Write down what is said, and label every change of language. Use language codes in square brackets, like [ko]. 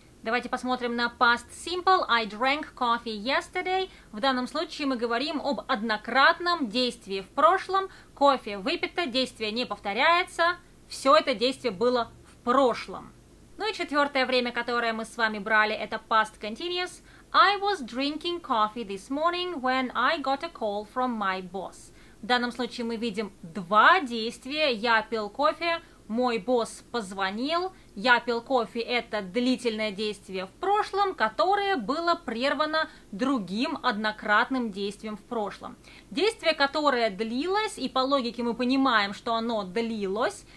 [ru] Давайте посмотрим на [en] past simple. I drank coffee yesterday. [ru] В данном случае мы говорим об однократном действии в прошлом. Кофе выпито, действие не повторяется. Все это действие было в прошлом. Ну и четвертое время, которое мы с вами брали, это past continuous. [en] I was drinking coffee this morning when I got a call from my boss. [ru] В данном случае мы видим два действия. Я пил кофе, мой босс позвонил. Я пил кофе – это длительное действие в прошлом, которое было прервано другим однократным действием в прошлом. Действие, которое длилось, и по логике мы понимаем, что оно длилось.